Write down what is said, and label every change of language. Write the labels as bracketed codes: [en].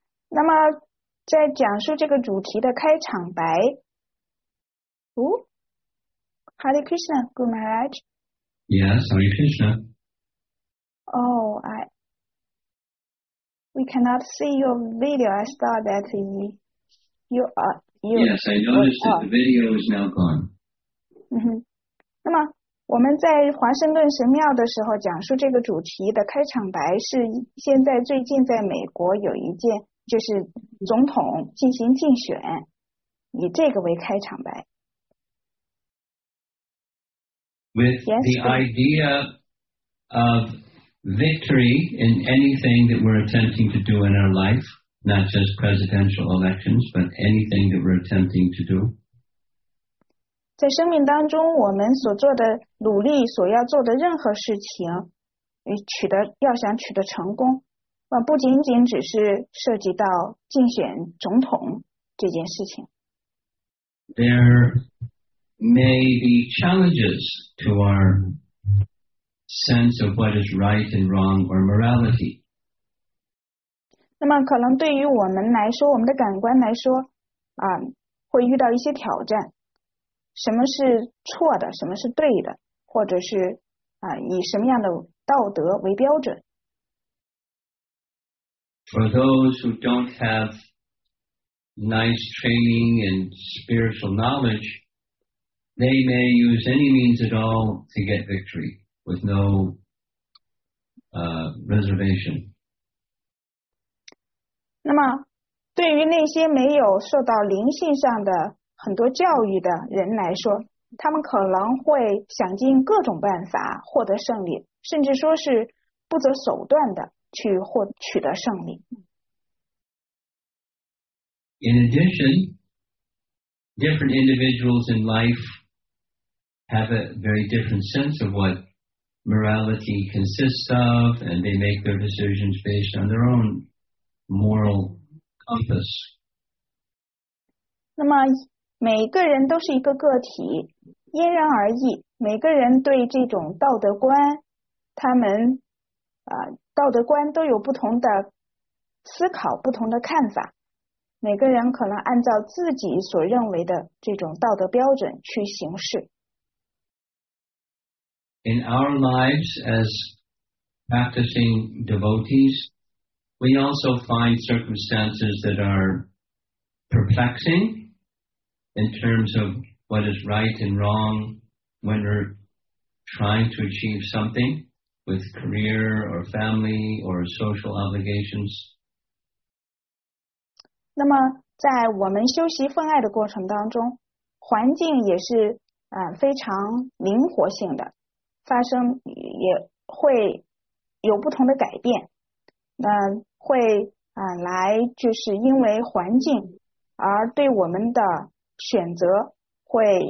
[zh] 那么在讲述这个主题的开场白 Hare Krishna, Guru Maharaj. [en] Yes, Hare Krishna. Oh, we cannot see your video. I saw that you are. Yes, I noticed that the video is now gone. [zh] Mm-hmm. 那么我们在华盛顿神庙的时候讲述这个主题的开场白是现在最近在美国有一件就是总统进行竞选，以这个为开场白。 [en] With the idea of victory in anything that we're attempting to do in our life, not just presidential elections, but anything that we're attempting to do. [zh] 在生命当中我们所做的努力所要做的任何事情取得要想取得成功不仅仅只是涉及到竞选总统这件事情。 [en] There may be challenges to our sense of what is right and wrong or morality. [zh] 那么可能对于我们来说我们的感官来说会遇到一些挑战。什么是错的，什么是对的，或者是以什么样的道德为标准。 [en] For those who don't have nice training and spiritual knowledge, they may use any means at all to get victory with no reservation. [zh] 那么，对于那些没有受到灵性上的很多教育的人来说，他们可能会想尽各种办法获得胜利，甚至说是不择手段的去取得胜利。 [en] In addition, different individuals in life have a very different sense of what morality consists of, and they make their decisions based on their own moral compass. [zh] 那么每个人都是一个个体，因人而异。每个人对这种道德观，他们道德观都有不同的思考，不同的看法。每个人可能按照自己所认为的这种道德标准去行事。 [en] In our lives as practicing devotees, we also find circumstances that are perplexing. In terms of what is right and wrong when we're trying to achieve something with career or family or social obligations. [zh] 那么在我们修习奉爱的过程当中环境也是非常灵活性的发生也会有不同的改变那会来就是因为环境而对我们的选择会